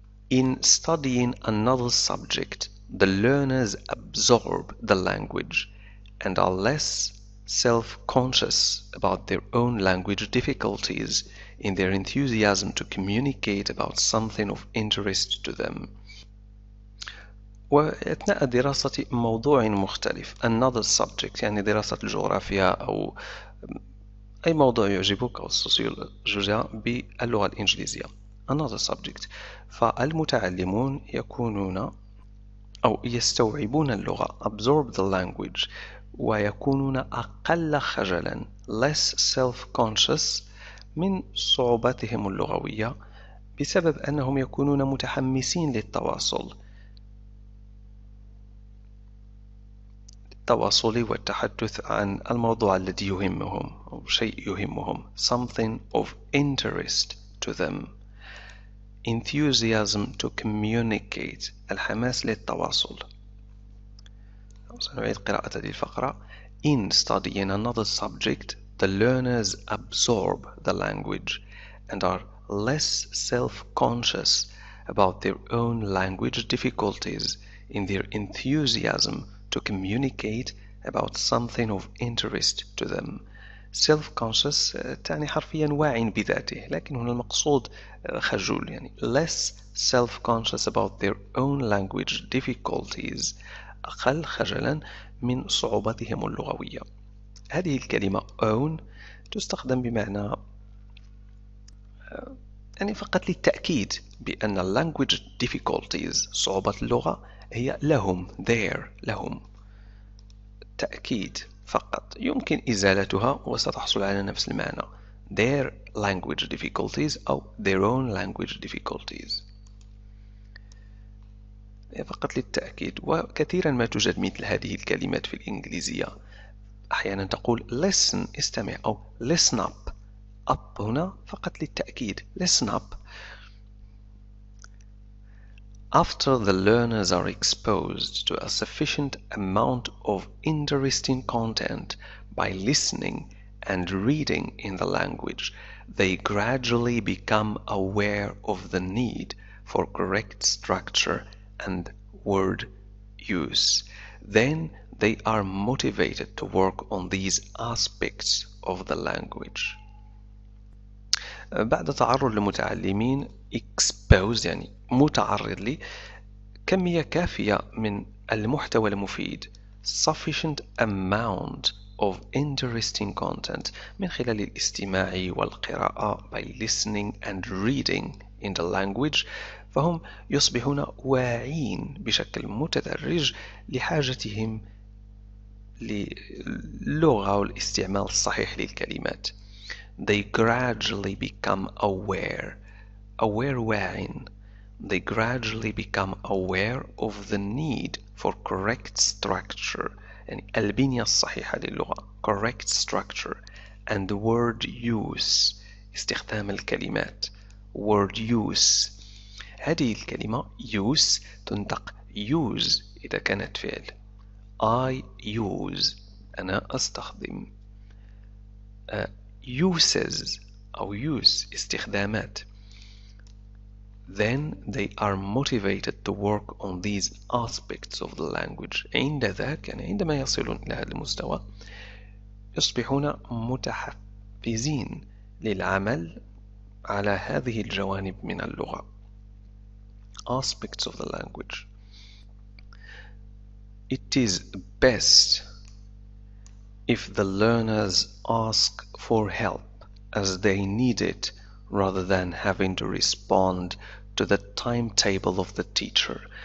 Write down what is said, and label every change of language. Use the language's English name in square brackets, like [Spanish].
[English] In studying another subject, the learners absorb the language and are less self-conscious about their own language difficulties in their enthusiasm to communicate about something of interest to them. [Arabic] وأثناء دراسة موضوع مختلف, [English] another subject, [Arabic] يعني دراسة الجغرافيا أو أي موضوع يعجبك أو السوسيولوجيا باللغة الإنجليزية, another subject, فالمتعلمون يكونون أو يستوعبون اللغة, [English] absorb the language, [Arabic] ويكونون أقل خجلا, [English] less self-conscious, [Arabic] من صعوباتهم اللغوية بسبب أنهم يكونون متحمسين للتواصل, التواصل والتحدث عن الموضوع الذي يهمهم أو شيء يهمهم, [English] something of interest to them. Enthusiasm to communicate, [Arabic] الحماس للتواصل. سنعيد قراءة هذه الفقرة. [English] In studying another subject, the learners absorb the language and are less self-conscious about their own language difficulties in their enthusiasm to communicate about something of interest to them. [Arabic] Self-conscious تعني حرفيا واعٍ بذاته, لكن هنا المقصود خجول, يعني [English] less self-conscious about their own language difficulties, [Arabic] أقل خجلا من صعوبتهم اللغوية. هذه الكلمة own تستخدم بمعنى يعني فقط للتأكيد بأن [English] language difficulties [Arabic] صعوبة اللغة هي لهم, there, لهم, تأكيد فقط, يمكن إزالتها وستحصل على نفس المعنى, [English] their language difficulties أو their own language difficulties. [Arabic] فقط للتأكيد، وكثيرا ما توجد مثل هذه الكلمات في الإنجليزية. أحيانا تقول listen استمع أو [English] listen up. [Arabic] up هنا فقط للتأكيد، [English] listen up. After the learners are exposed to a sufficient amount of interesting content by listening and reading in the language, they gradually become aware of the need for correct structure and word use. Then they are motivated to work on these aspects of the language. [Arabic] بعد تعرض المتعلمين exposed يعني متعرض لي كمية كافية من المحتوى المفيد [English] sufficient amount of interesting content [Arabic] من خلال الاستماع والقراءة [English] by listening and reading in the language [Arabic] فهم يصبحون واعين بشكل متدرج لحاجتهم للغة والاستعمال الصحيح للكلمات. [English] They gradually become aware. Aware [Arabic] واعين. [English] They gradually become aware of the need for correct structure. [Arabic] يعني البنية الصحيحة للغة. [English] Correct structure. And word use. [Arabic] استخدام الكلمات. [English] Word use. [Arabic] هذه الكلمة use تنطق use إذا كانت فعل. [English] I use. [Arabic] أنا أستخدم. [English] Uses أو use [Arabic] استخدامات. [English] Then they are motivated to work on these aspects of the language. [Arabic] عند ذاك يعني عندما يصلون إلى هذا المستوى يصبحون متحفزين للعمل على هذه الجوانب من اللغة. [English] Aspects of the language. It is best if the learners ask for help as they need it rather than having to respond to the timetable of the teacher.